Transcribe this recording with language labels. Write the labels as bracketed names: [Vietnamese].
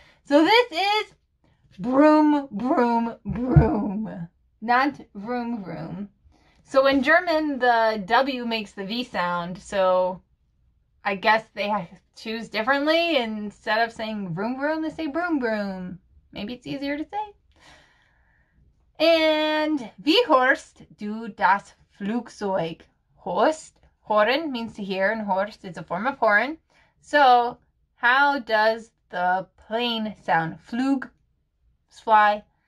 [English] So this is broom broom broom. Not vroom vroom. So in German, the W makes the V sound. So I guess they choose differently. Instead of saying vroom vroom, they say broom broom. Maybe it's easier to say. [German] And wie horst du das Flugzeug? [English] Horst, horn means to hear, and horst is a form of horn. So how does the plane sound? Flug, fly.